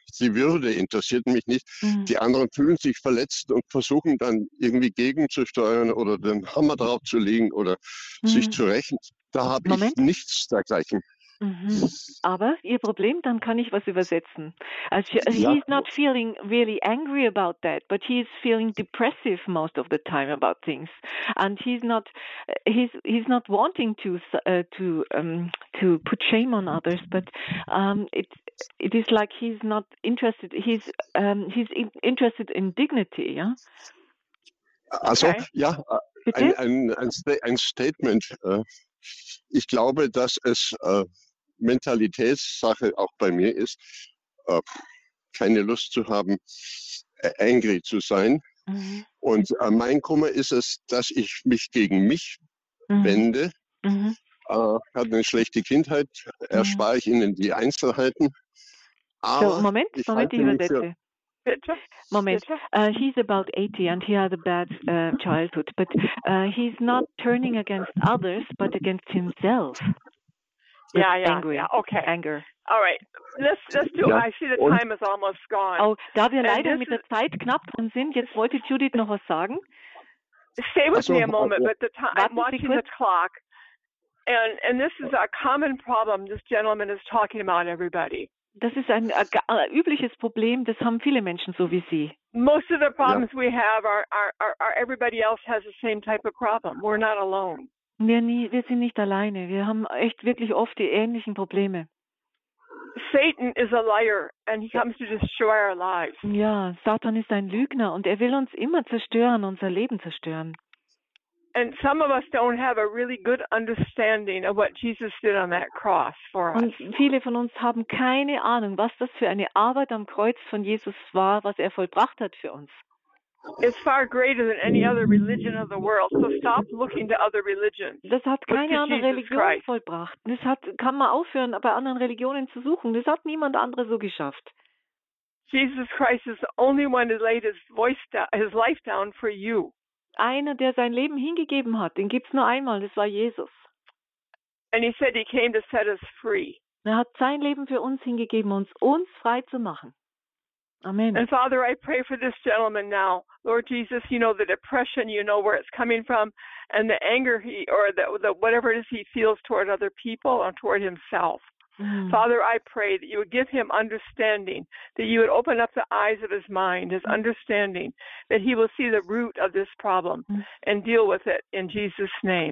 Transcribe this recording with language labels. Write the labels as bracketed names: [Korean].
[German] Die Würde interessiert mich nicht. Die anderen fühlen sich verletzt und versuchen dann irgendwie gegenzusteuern oder den Hammer drauf zu legen oder sich zu rächen. Da habe ich nichts dergleichen. Aber Ihr Problem, dann kann ich was übersetzen. [English] He's not feeling really angry about that, but he's feeling depressive most of the time about things. And he's not wanting to put shame on others, but it is like he's not interested. He's interested in dignity. Yeah. [German] Also okay. Ja, ein Statement. Ich glaube, dass es Mentalitätssache auch bei mir ist, keine Lust zu haben, angry zu sein. Mhm. Und mein Kummer ist es, dass ich mich gegen mich wende. Mhm. Hat eine schlechte Kindheit, erspare ich Ihnen die Einzelheiten. Aber so, Moment, ich übersetze. Moment, [English] he's about 80 and he had a bad childhood, but he's not turning against others, but against himself. Anger. All right. Let's do. Ja. I see the time is almost gone. [German] Oh, da wir leider mit der Zeit knapp dran sind, jetzt wollte Judith noch was sagen. [English] Stay with me a moment, but the time. I'm watching the clock, and this is a common problem. This gentleman is talking about everybody. [German] Das ist ein übliches Problem. Das haben viele Menschen so wie Sie. [English] Most of the problems we have are everybody else has the same type of problem. We're not alone. [German] Wir sind nicht alleine. Wir haben echt wirklich oft die ähnlichen Probleme. [English] Satan is a liar and he comes to destroy our lives. [German] Ja, Satan ist ein Lügner und er will uns immer zerstören, unser Leben zerstören. [English] And some of us don't have a really good understanding of what Jesus did on that cross for us. [German] Und viele von uns haben keine Ahnung, was das für eine Arbeit am Kreuz von Jesus war, was er vollbracht hat für uns. [English] It's far greater than any other religion of the world. So stop looking to other religions. [German] Das hat keine andere Religion vollbracht. Das hat, kann man aufhören, bei anderen Religionen zu suchen. Das hat niemand andere so geschafft. [English] Jesus Christ is the only one who laid his life down for you. [German] Einer, der sein Leben hingegeben hat, den gibt's nur einmal. Das war Jesus. [English] And he said he came to set us free. [German] Er hat sein Leben für uns hingegeben, uns frei zu machen. Amen. [English] And Father, I pray for this gentleman now. Lord Jesus, you know the depression, you know where it's coming from, and the anger or the whatever it is he feels toward other people or toward himself. Father, I pray that you would give him understanding, that you would open up the eyes of his mind, his understanding, that he will see the root of this problem and deal with it in Jesus' name.